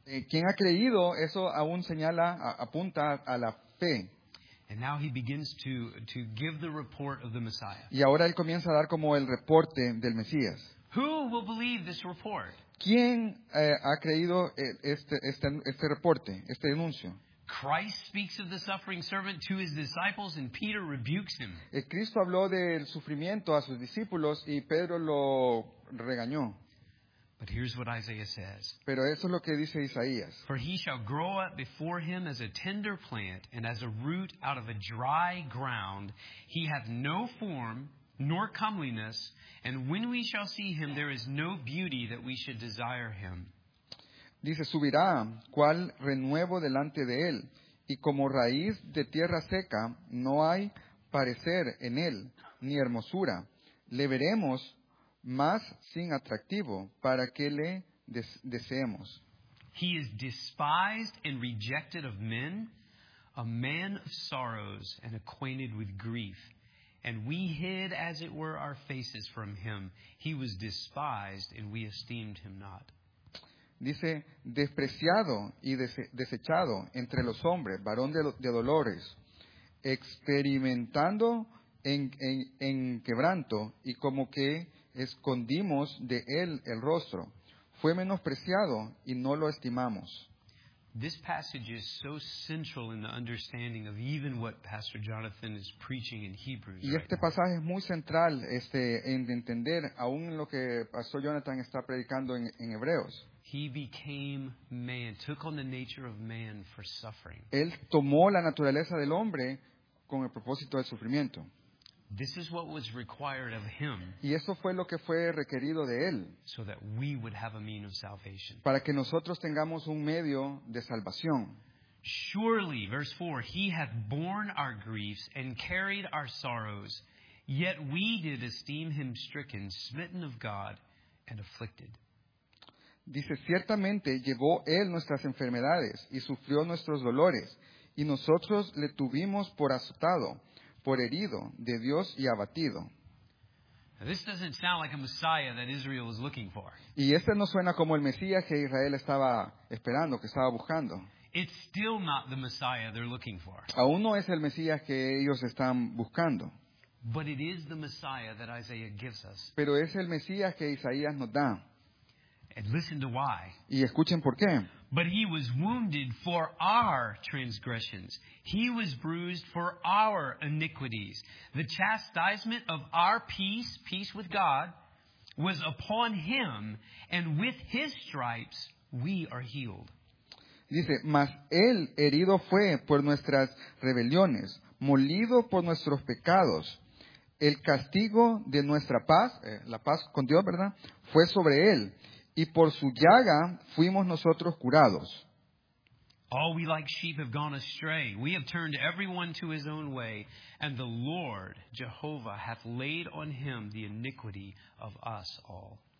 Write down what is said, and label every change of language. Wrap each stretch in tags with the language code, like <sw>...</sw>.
<es>¿Quién ha creído? Eso aún señala, apunta a la fe.</es> <en>And now he begins to give the report of the Messiah.</en> <es>Y ahora él comienza a dar como el reporte del Mesías.</es> <en>Who will believe this report?</en> <es>¿Quién ha creído este reporte, este anuncio?</es> <en>Christ speaks of the suffering servant to his disciples, and Peter rebukes him.</en> <es>Cristo habló del sufrimiento a sus discípulos y Pedro lo regañó.</es> <en>But here's what Isaiah says.</en> <es>Pero eso es lo que dice Isaías.</es> <en>For he shall grow up before him as a tender plant and as a root out of a dry ground. He hath no form nor comeliness, and when we shall see him, there is no beauty that we should desire him.</en> <es>Dice, subirá cual renuevo delante de él, y como raíz de tierra seca no hay parecer en él, ni hermosura. Le veremos más sin atractivo para que le deseemos.</es> <en>He is despised and rejected of men, a man of sorrows and acquainted with grief. And we hid, as it were, our faces from him. He was despised and we esteemed him not.</en> <es>Dice, despreciado y desechado entre los hombres, varón de dolores, experimentando en quebranto y como que escondimos de él el rostro. Fue menospreciado y no lo estimamos.</es> <en>This passage is so central in the understanding of even what Pastor Jonathan is preaching in Hebrews.</en> <es>Y este pasaje es muy central en entender aún lo que Pastor Jonathan está predicando en Hebreos.</es> <en>He became man, took on the nature of man for suffering.</en> <es>Él tomó la naturaleza del hombre con el propósito del sufrimiento.</es> <en>This is what was required of him.</en> <es>Y eso fue lo que fue requerido de él.</es> <en>So that we would have a means of salvation.</en> <es>Para que nosotros tengamos un medio de salvación.</es> <en>Surely, verse 4, he hath borne our griefs and carried our sorrows, yet we did esteem him stricken, smitten of God, and afflicted.</en> <es>Dice, ciertamente llevó él nuestras enfermedades y sufrió nuestros dolores, y nosotros le tuvimos por azotado, por herido de Dios y abatido.</es> <en>This doesn't sound like a Messiah that Israel was looking for.</en> <es>Y este no suena como el Mesías que Israel estaba esperando, que estaba buscando.</es> <en>It's still not the Messiah they're looking for.</en> <es>Aún no es el Mesías que ellos están buscando.</es> <en>But it is the Messiah that Isaiah gives us.</en> <es>Pero es el Mesías que Isaías nos da.</es> <en>And listen to why.</en> <es>Y escuchen por qué.</es> <en>But he was wounded for our transgressions. He was bruised for our iniquities. The chastisement of our peace, peace with God, was upon him, and with his stripes we are healed.</en> <es>Dice, mas él herido fue por nuestras rebeliones, molido por nuestros pecados. El castigo de nuestra paz, la paz con Dios, ¿verdad?, fue sobre él. Y por su llaga fuimos nosotros curados.</es> <en>All we like sheep have gone astray. We have turned everyone to his own way. And the Lord, Jehovah, hath laid on him the iniquity of us all.</en>